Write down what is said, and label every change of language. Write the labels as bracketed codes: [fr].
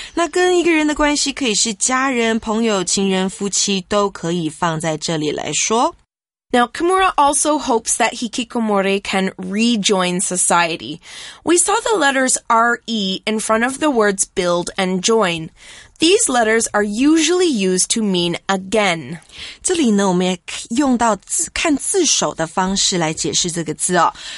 [zh] 那跟一个人的关系可以是家人、朋友、情人、夫妻都可以放在这里来说。 [en] Now, Kimura also hopes that Hikikomori can rejoin society. We saw the letters RE in front of the words build and join. These letters are usually used to mean again. [zh] 这里呢，我们也用到看字首的方式来解释这个字哦。